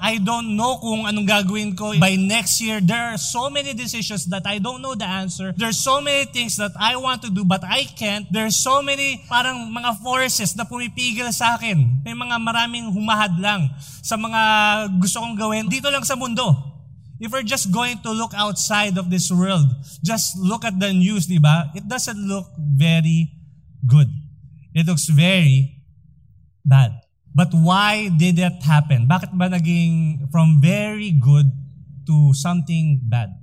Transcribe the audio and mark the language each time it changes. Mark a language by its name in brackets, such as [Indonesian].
[English] I don't know [Filipino] kung anong gagawin ko [English] by next year. There are so many decisions that I don't know the answer. There's so many things that I want to do but I can't. There's so many [Filipino] parang mga forces na pumipigil sa akin. May mga maraming humahadlang sa mga gusto kong gawin dito lang sa mundo. [English] If we're just going to look outside of this world, just look at the news, di ba? It doesn't look very good. It looks very bad. But why did that happen? [Filipino] Bakit ba naging [English] from very good to something bad?